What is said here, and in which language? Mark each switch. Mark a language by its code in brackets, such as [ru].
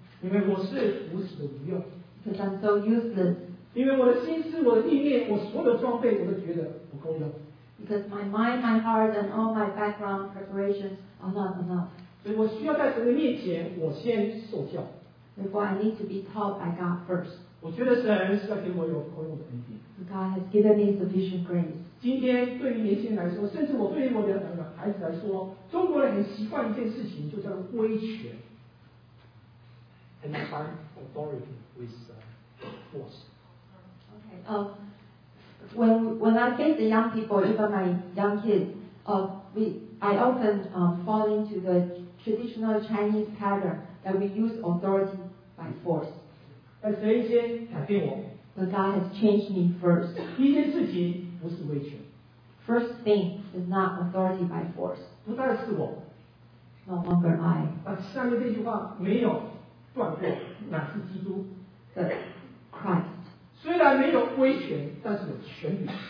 [en] Because I'm so useless. Because my mind, my heart, and all my background preparations are not enough. So I need to be in front of God first. Therefore, I need to be taught by God first. [zh] 我觉得神是要给我有宽容的恩典。 [en] God has given me sufficient grace. [zh] 今天对于年轻人来说，甚至我对于我的孩子来说，中国人很习惯一件事情，就叫威权。 [en] And find authority with force. Okay. When I face the young people, even my young kids, I often fall into the traditional Chinese pattern that we use authority. By force. [zh] 但谁先改变我？ [en] But God has changed me first. [zh] 第一件事情不是威权。 [en] First thing is not authority by force. [zh] 不再是我。 [en] No longer I. [zh] 但下面这句话没有断过，乃是基督。 [en] But Christ. [zh] 虽然没有威权，但是有权柄。